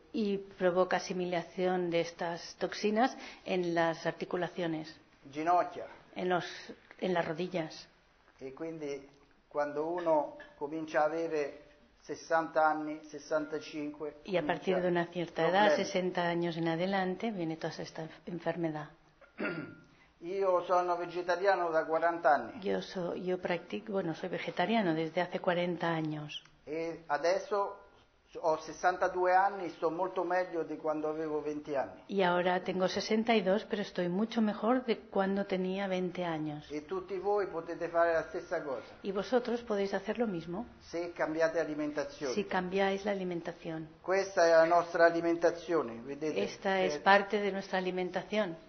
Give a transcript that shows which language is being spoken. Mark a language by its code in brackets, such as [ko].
[es] Y provoca asimilación de estas toxinas en las articulaciones. [it] Ginocchia. [es] En las rodillas. [it] E quindi quando uno comincia a avere 60 anni, 65, [es] y a partir de una cierta edad, 60 años en adelante, viene toda esta enfermedad. [it] Io sono vegetariano da 40 anni. [es] Soy vegetariano desde hace 40 años. [it] E adesso ho 62 anni, sto molto meglio di quando avevo 20 anni. [es] Y ahora tengo 62, pero estoy mucho mejor de cuando tenía 20 años. [it] E tutti voi potete fare la stessa cosa. [es] Y vosotros podéis hacer lo mismo. [it] Se cambiate alimentazione. [es] Si cambiáis la alimentación. [it] Questa è la nostra alimentazione, vedete? [es] Esta es parte de nuestra alimentación.